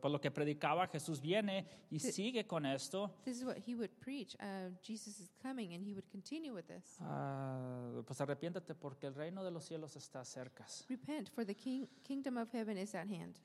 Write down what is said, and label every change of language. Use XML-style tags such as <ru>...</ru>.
<es>Por lo que predicaba, Jesús viene y sigue con esto.</es> <en>This is what he would preach. Jesus is coming and he would continue with this.</en> <es>Pues arrepiéntete porque el reino de los cielos está cerca.</es> <en>Repent, for the kingdom of heaven is at hand.</en>